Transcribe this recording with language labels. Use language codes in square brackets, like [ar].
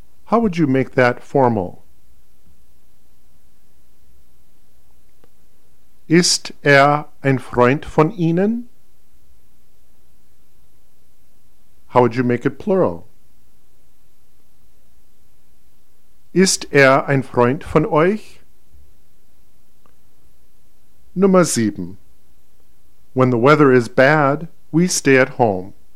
[en] How would you make that formal? [de] Ist ein Freund von Ihnen? [en] How would you make it plural? [de] Ist ein Freund von euch? Nummer 7. [en] When the weather is bad, we stay at home.